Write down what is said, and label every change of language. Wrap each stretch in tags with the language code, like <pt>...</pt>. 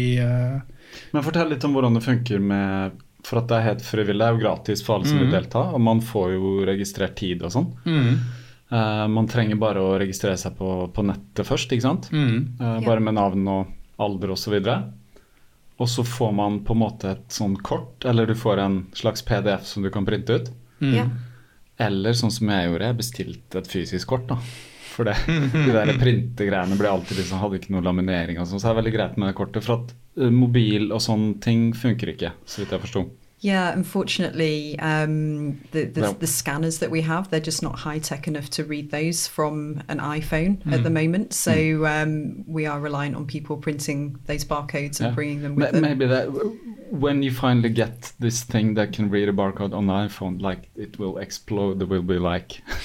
<no>Men fortell litt om hvordan det funker med... For at det er helt frivillig, det er jo gratis for alle som vil delta, og man får jo registrert tid og sånn. Man trenger bare å registrere seg på nettet først, ikke sant? Bare med navn og alder og så videre. Og så får man på en måte et sånn kort, eller du får en slags PDF som du kan printe ut. Eller sånn som jeg gjorde, jeg bestilte et fysisk kort da. For de der printegreiene ble alltid liksom, hadde ikke noen laminering og sånn, så det er veldig greit med det kortet, for at mobil og sånne ting funker ikke, så vidt jeg forstod.</no> <en>Yeah, unfortunately, the scanners that we have, they're just not high-tech enough to read those from an iPhone at the moment. So we are reliant on people printing those barcodes and bringing them with them. Maybe that, when you finally get this thing that can read a barcode on an iPhone, like it will explode, there will be like...</en>